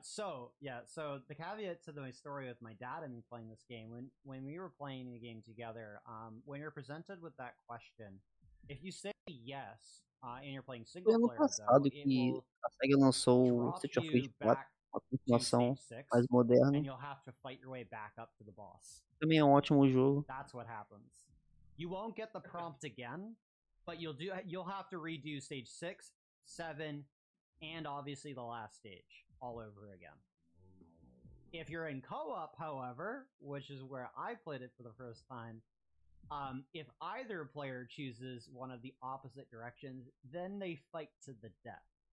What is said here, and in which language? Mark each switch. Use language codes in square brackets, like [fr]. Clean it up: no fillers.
[en] So the caveat to the story with my dad and me playing this game, when we were playing the game together, when you're presented with that question, if you say yes, and you're playing single player, [pt] passado [en] though, [pt] que a Sega lançou Street of Rage 4, uma continuação mais moderna. [en] And you'll have to fight your way back up to the boss. [pt] Também é um ótimo jogo. [en] That's what happens. You won't get the prompt again, but you'll have to redo stage 6, 7, and obviously the last stage all over again. If you're in co-op, however, which is where I played it for the first time, if either player chooses one of the opposite directions, then they fight to the death.